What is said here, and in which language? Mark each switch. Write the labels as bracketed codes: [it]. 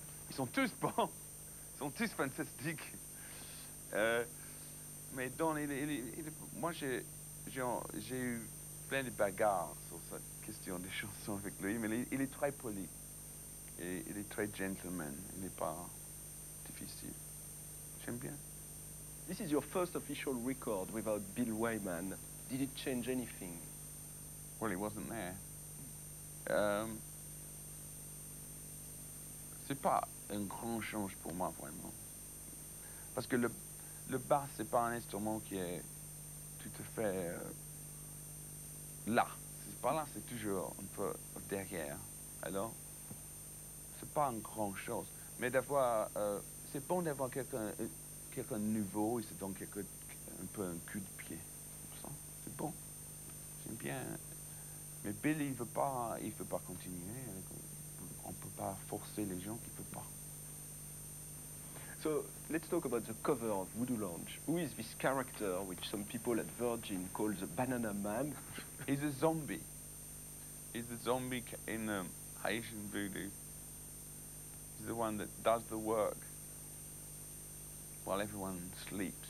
[fr] ils sont tous bons, ils sont tous fantastiques. Mais dans moi j'ai eu plein de bagarres sur cette question des chansons avec lui, mais il est très poli. Et il est très gentleman, il n'est pas difficile. J'aime bien. [en] This is your first official record without Bill Wyman. Did it change anything? Well, he wasn't there. [fr] C'est pas un grand change pour moi, vraiment. Parce que le bass, c'est pas un instrument qui est tout à fait là. C'est pas là, c'est toujours un peu derrière. Alors, c'est pas une grande chose. Mais d'avoir, c'est bon d'avoir quelqu'un de nouveau, et c'est donc un peu un cul de pied. C'est bon. J'aime bien. Mais Bill, il veut pas continuer. On peut pas forcer les gens qui ne peuvent pas. [en] So, let's talk about the cover of Voodoo Lounge. Who is this character, which some people at Virgin call the Banana Man? He's a zombie. He's a zombie in Haitian voodoo. He's the one that does the work while everyone sleeps.